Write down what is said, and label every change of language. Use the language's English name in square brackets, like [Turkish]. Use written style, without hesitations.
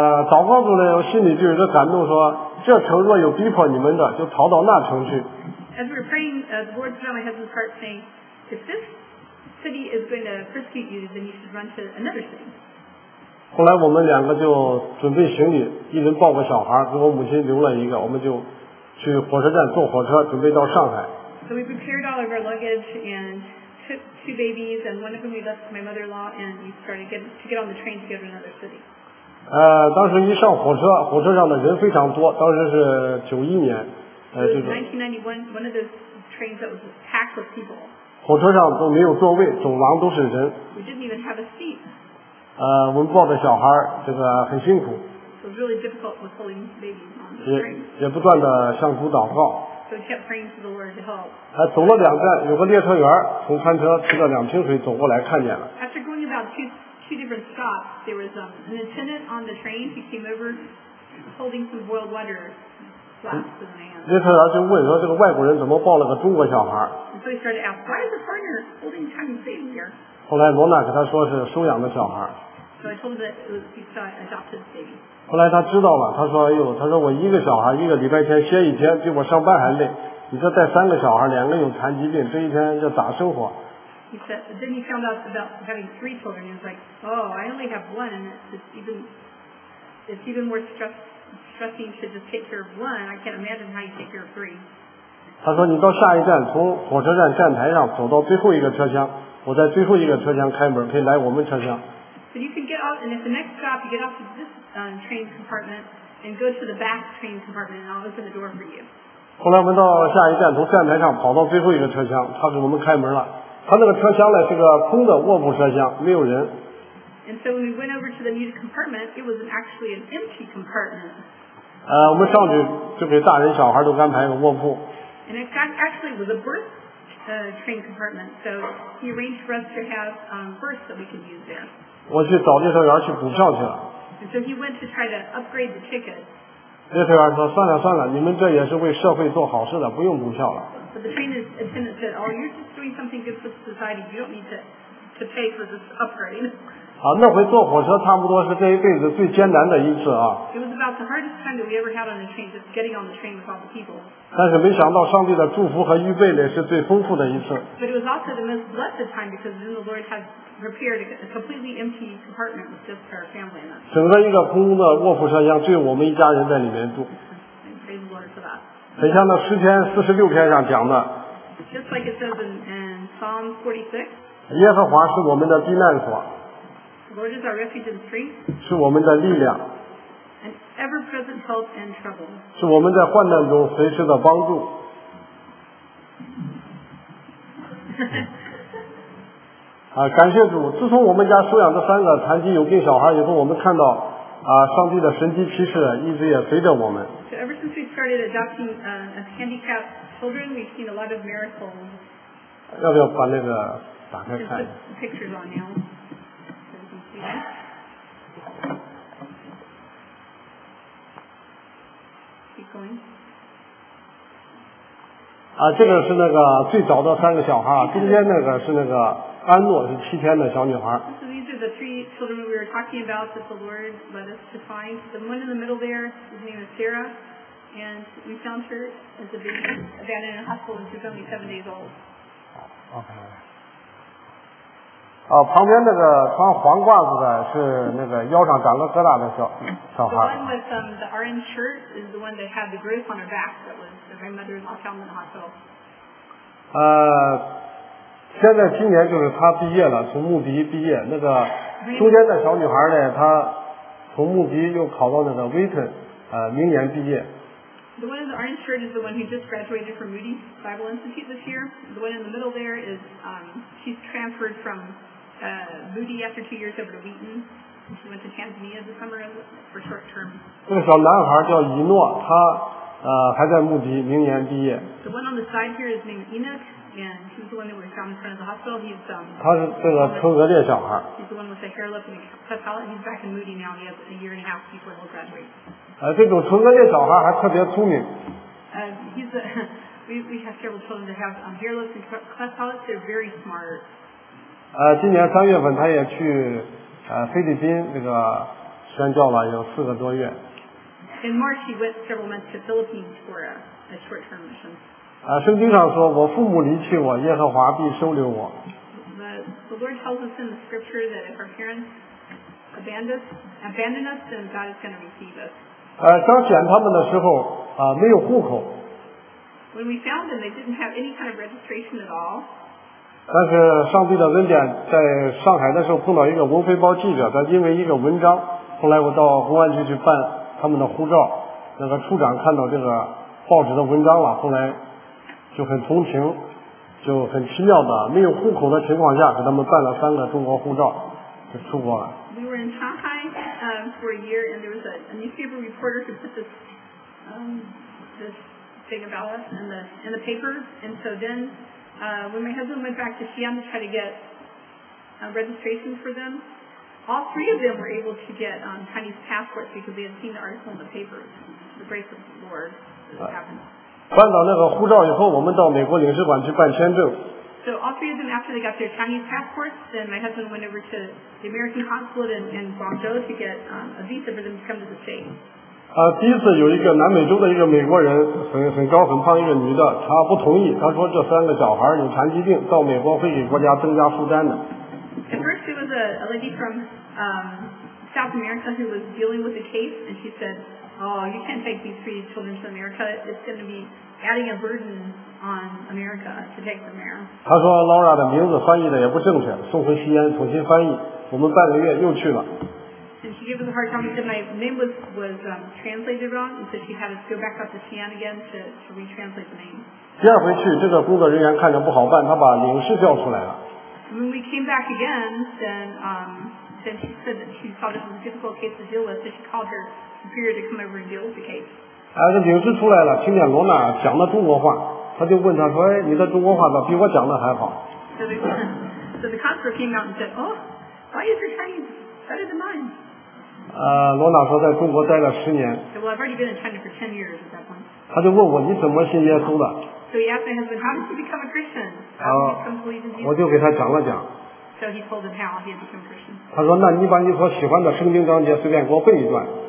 [Chinese] 祷告中呢，我心里就有个感动，说这城若有逼迫你们的，就逃到那城去。 [English] As we're praying, the Lord put on my husband's heart saying, if this city is going to persecute you, then you should run to another city. [Chinese] 后来我们两个就准备行李，一人抱个小孩，给我母亲留了一个，我们就去火车站坐火车，准备到上海。 [English] So we prepared all of our luggage and. Two babies, and one of whom we left my mother-in-law, and we started to get on the train to go to another city. [Chinese] 当时一上火车，火车上的人非常多。当时是九一年，就是 [English] 1991, one of those trains that was packed with people. [Chinese] 火车上都没有座位，走廊都是人。 [English] We didn't even have a seat. [Chinese] 我们抱着小孩，这个很辛苦。 [English] It was really difficult with holding babies on the train. [Chinese] 也不断的向主祷告。 [English] So kept praying to the Lord to help. [Chinese] 走了两站，有个列车员从餐车提着两瓶水走过来，看见了。 [English] After going about two different stops, there was an attendant on the train who came over holding some boiled water glass in hand. [Chinese] 列车员就问说：“这个外国人怎么抱了个中国小孩？” [English] And so he started to ask, "Why is the foreigner holding tiny baby here?" [Chinese] 后来罗娜给他说是收养的小孩。 [English] So I told him that it was an adopted baby. [Chinese] 后来他知道了，他说：“哎呦，他说我一个小孩一个礼拜天歇一天，比我上班还累。你这带三个小孩，两个有残疾病，这一天要咋生活？” [English] He said, then he found out about having three children. He was like, "Oh, I only have one, and it's even more stressing to just take care of one. I can't imagine how you take care of three." [Chinese] 他说：“你到下一站，从火车站站台上走到最后一个车厢，我在最后一个车厢开门，可以来我们车厢。” [English] So you can get off, and at the next stop, you get off of this. Train compartment and go to the back train compartment and I'll open the door for you. [Chinese] 后来我们到下一站，从站台上跑到最后一个车厢，他给我们开门了。他那个车厢呢是个空的卧铺车厢，没有人。 [English] And so when we went over to the new compartment, it was actually an empty compartment. [Chinese] 我们上去就给大人小孩都安排个卧铺。 [English] And it actually was a birth train compartment, so he arranged for us to have births that we could use there. [Chinese] 我去找列车员去补票去了。 [English] And so he went to try to upgrade the ticket. [Chinese] 列车员说：“算了算了，你们这也是为社会做好事的，不用补票了。” [English] But the train attendant said, "Oh, you're just doing something good for society. You don't need to pay for this upgrade." [Chinese] 好，那回坐火车差不多是这一辈子最艰难的一次啊。 [English] It was about the hardest time that we ever had on the train, just getting on the train with all the people. [Chinese] 但是没想到上帝的祝福和预备呢，是最丰富的一次。 [English] But it was also the most blessed time because then the Lord had. Prepared a completely empty compartment with just our family in it. [Chinese] 整个一个空的卧铺车厢，只有我们一家人在里面住。 [English] Praise the Lord for that. [Chinese] 很像那诗篇四十六篇上讲的。 [English] Just like it says in Psalm 46. [Chinese] 耶和华是我们的避难所。 [English] Lord is our refuge and strength. [Chinese] 是我们的力量。 [English] An ever-present help in trouble. [Chinese] 是我们在患难中随时的帮助。感谢主，自从我们家收养这三个残疾有病小孩以后，我们看到上帝的神迹奇事一直也随着我们。 [English] So ever since we started adopting handicapped children, we've seen a lot of miracles. [Chinese] 要不要把那个打开看 [English] pictures on now. Keep going. [Chinese] 这个是那个最早的三个小孩，中间那个是那个安诺，是七天的小女孩。 [English] So these are the three children we were talking about that the Lord led us to find. The one in the middle there, his name is Sarah, and we found her as a baby abandoned in a hospital and she was only 7 days old. Okay. [Chinese] 旁边那个穿黄褂子的是那个腰上长了疙瘩的小孩。 [English] The one with the orange shirt is the one that had the growth on her back that was the grandmother's found in the hospital. [Chinese] 现在今年就是他毕业了，从牧笛毕业。那个中间的小女孩呢，她从牧笛又考到那个威腾，明年毕业。 [English] The one in the orange shirt is the one who just graduated from Moody Bible Institute this year. The one in the middle there is, she's transferred from Moody after 2 years over to Wheaton. She went to Tanzania this summer for short term. [Chinese] 这个小男孩叫一诺, 他, 还在穆迪, 明年毕业。 [English] The one on the side here is named Enoch, and he's the one that was found in front of the hospital. He's, [Chinese] 他是这个车格列小孩。 [English] He's the one with the hair lip and the cut palette. He's back in Moody now. He has a year and a half before he'll graduate. [Chinese] 这种纯格列小孩还特别聪明。 [English] We have several children that have hairless and cleft palates. They're very smart. [Chinese] 今年三月份他也去菲律宾那个宣教了，有四个多月。 [English] In March he went several months to Philippines for a short-term mission. [Chinese] 圣经上说，我父母离弃我，耶和华必收留我。 [English] The Lord tells us in the scripture that if our parents abandon us, then God is going to receive us. [Chinese] 当选他们的时候没有户口。 [English] When we found them, they didn't have any kind of registration at all. [Chinese] 但是上帝的恩典，在上海的时候碰到一个文汇报记者，他因为一个文章，后来我到公安局去办他们的护照，那个处长看到这个报纸的文章了，后来就很同情，就很奇妙的没有户口的情况下给他们办了三个中国护照就出国了。 [English] We were in Shanghai for a year, and there was a newspaper reporter who put this this thing about us in the paper. And so then, when my husband went back to Xi'an to try to get registrations for them, all three of them were able to get Chinese passports because they had seen the article in the paper. The grace of the Lord happened. [Chinese] 办到那个护照以后，我们到美国领事馆去办签证。 [English] So all three of them, after they got their Chinese passports, then my husband went over to the American consulate in Guangzhou to get a visa for them to come to the States. [Chinese] 第一次有一个南美洲的一个美国人，很高很胖一个女的，她不同意，她说这三个小孩有残疾病，到美国会给国家增加负担的。 [English] At first, there was a lady from South America who was dealing with the case, and she said, "Oh, you can't take these three children to America. It's going to be adding a burden." [Chinese] 他说 Laura 的名字翻译的也不正确，送回西安重新翻译，我们半个月又去了。 [English] And she gave us a hard time. She said my name was translated wrong, and so she had us go back up to Xi'an again to retranslate the name. [Chinese] 第二回去，这个工作人员看着不好办，他把领事叫出来了。 [English] When we came back again, then she said that she thought it was a difficult case to deal with, so she called her superior to come over and deal with the case. [Chinese] 这领事出来了，听见罗娜讲的中国话。他就问他说：“哎，你的中国话倒比我讲的还好。” [English] So the counselor came out and said, "Oh, why is your Chinese better than mine?" [Chinese] 罗娜说在中国待了十年。 [English] Well, I've already been in China for 10 years at that point. [Chinese] 他就问我你怎么信耶稣的 [English] ？So he asked my husband, "How did you become a Christian?" How did you become a Christian? [Chinese] 我就给他讲了讲。 [English] So he told him how he had become Christian. [Chinese] 他说：“那你把你所喜欢的圣经章节随便给我背一段。”